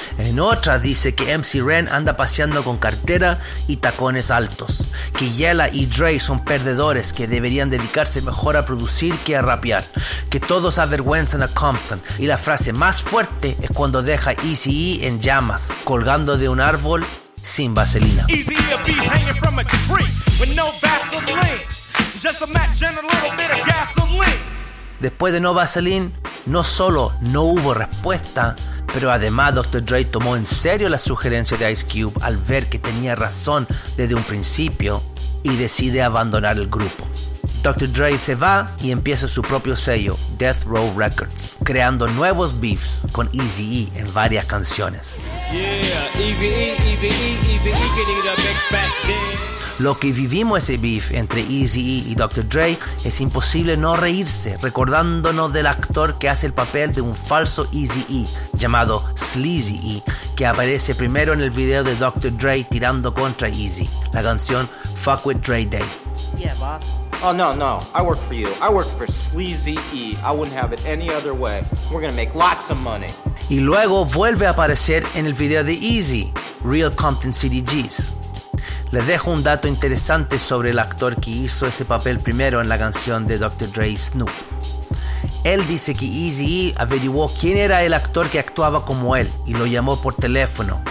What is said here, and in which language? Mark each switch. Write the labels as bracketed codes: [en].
[es] En otra dice que MC Ren anda paseando con cartera y tacones altos, que Yella y Dre son perdedores que deberían dedicarse mejor a producir que a rapear, que todos avergüenzan a Compton, y la frase más fuerte es cuando deja Eazy-E en llamas, colgando de un árbol sin vaselina. [en] Eazy-E be hanging from a tree with no vaseline, just a match and a little bit of gasoline. [es] Después de No Vaseline, no solo no hubo respuesta, pero además Dr. Dre tomó en serio la sugerencia de Ice Cube al ver que tenía razón desde un principio y decide abandonar el grupo. Dr. Dre se va y empieza su propio sello, Death Row Records, creando nuevos beefs con Eazy-E en varias canciones. Lo que vivimos ese beef entre Eazy-E y Dr. Dre es imposible no reírse, recordándonos del actor que hace el papel de un falso Eazy-E llamado Sleazy-E, que aparece primero en el video de Dr. Dre tirando contra Eazy, la canción Fuck With Dre Day. [en] Yeah, boss. Oh, no, no. I work for you. I work for Sleazy-E. I wouldn't have it any other way. We're gonna make lots of money. [es] Y luego vuelve a aparecer en el video de Eazy, Real Compton CDGs. Les dejo un dato interesante sobre el actor que hizo ese papel primero en la canción de Dr. Dre y Snoop. Él dice que Eazy-E averiguó quién era el actor que actuaba como él y lo llamó por teléfono.